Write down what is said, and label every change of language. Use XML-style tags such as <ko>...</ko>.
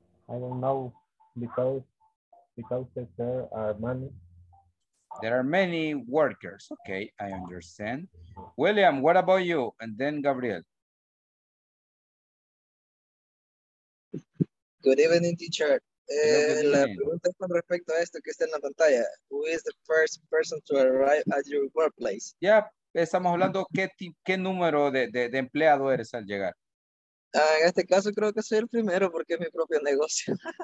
<en>I don't know because there are many. There are many workers. Okay, I understand. William, what about you? And then Gabriel. Good evening, teacher.</en> <es>La pregunta es con respecto a esto que está en la pantalla.</es> <en>Who is the first person to arrive at your workplace? Yeah.</en> <es>Estamos hablando qué número de empleado eres al llegar. Ah, en este caso creo que soy el primero porque es mi propio negocio.</es>